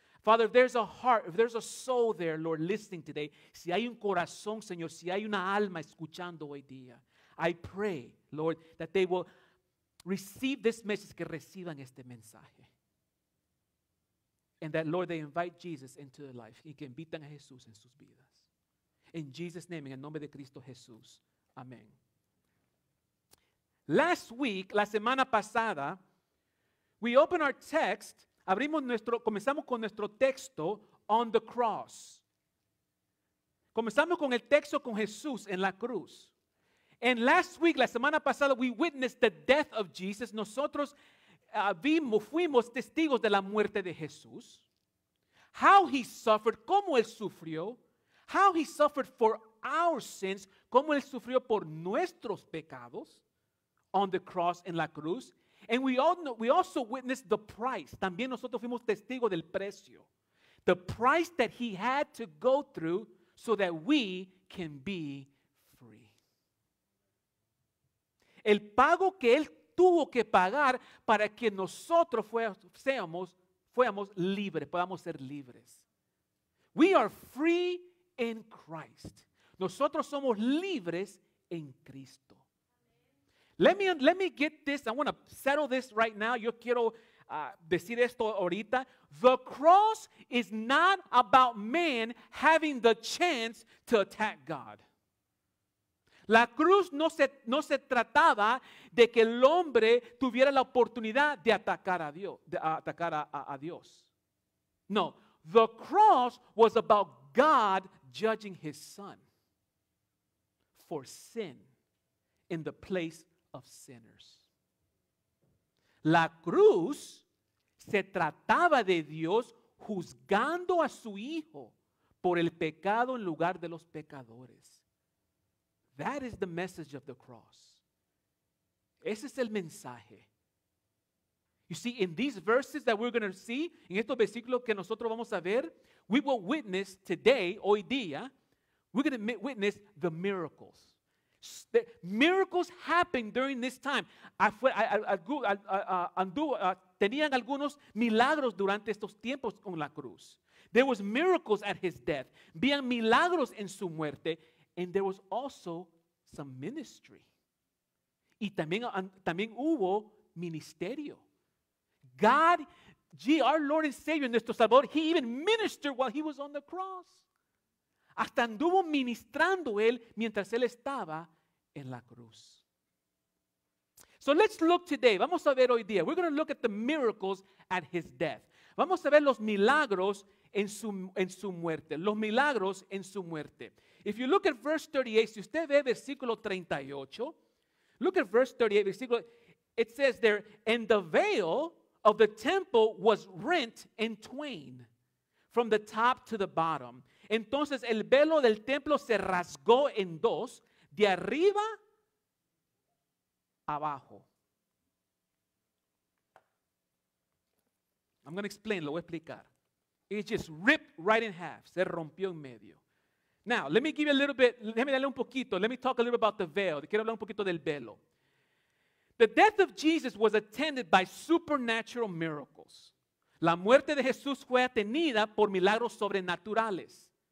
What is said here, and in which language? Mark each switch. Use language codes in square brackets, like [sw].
[en] Father, if there's a heart, if there's a soul there, Lord, listening today, [es] si hay un corazón, Señor, si hay una alma escuchando hoy día, [en] I pray, Lord, that they will receive this message, [es] que reciban este mensaje. [en] And that, Lord, they invite Jesus into their life. [es] Y que invitan a Jesús en sus vidas. [en] In Jesus' name, [es] en el nombre de Cristo Jesús. [en] Amén. Last week, [es] la semana pasada, [en] we opened our text, [es] comenzamos con nuestro texto [en] on the cross. [es] Comenzamos con el texto con Jesús en la cruz. [en] And last week, [es] la semana pasada, [en] we witnessed the death of Jesus. [es] Nosotros fuimos testigos de la muerte de Jesús. [en] How he suffered, [es] cómo él sufrió. [en] How he suffered for our sins, [es] cómo él sufrió por nuestros pecados [en] on the cross, [es] en la cruz. [en] And we also witnessed the price. [es] También nosotros fuimos testigos del precio. [en] The price that he had to go through so that we can be free. [es] El pago que él tuvo que pagar para que nosotros fuéramos libres, podamos ser libres. [en] We are free in Christ. [es] Nosotros somos libres en Cristo. [en] Let me get this. I want to settle this right now. [es] Yo quiero decir esto ahorita. [en] The cross is not about man having the chance to attack God. [es] La cruz no se trataba de que el hombre tuviera la oportunidad de atacar a Dios. De atacar a Dios. [en] No, the cross was about God judging his son for sin in the place of sinners. [es] La cruz se trataba de Dios juzgando a su hijo por el pecado en lugar de los pecadores. [en] That is the message of the cross. [es] Ese es el mensaje. [en] You see, in these verses that we're going to see, [es] en estos versículos que nosotros vamos a ver, [en] we will witness today, [es] hoy día, [en] we're going to witness the miracles. The miracles happened during this time. [es] Tenían algunos milagros durante estos tiempos con la cruz. [en] There was miracles at his death. [es] Vían milagros en su muerte. [en] And there was also some ministry. [es] Y también hubo ministerio. [en] God, our Lord and Savior, [es] nuestro Salvador, [en] he even ministered while he was on the cross. [es] Hasta anduvo ministrando él mientras él estaba en la cruz. [en] So let's look today. [es] Vamos a ver hoy día. [en] We're going to look at the miracles at his death. [es] Vamos a ver los milagros en su muerte. Los milagros en su muerte. [en] If you look at verse 38, [es] si usted ve versículo 38, [en] look at verse 38, versículo, it says there, and the veil of the temple was rent in twain from the top to the bottom. [es] Entonces el velo del templo se rasgó en dos, de arriba abajo. [en] I'm going to explain, [es] lo voy a explicar. [en] It just ripped right in half, [es] se rompió en medio. [en] Now, let me give you a little bit, [es] déjame darle un poquito, [en] let me talk a little bit about the veil. [es] Quiero hablar un poquito del velo. [en] The death of Jesus was attended by supernatural miracles. [es] La muerte de Jesús fue atendida por milagros sobrenaturales.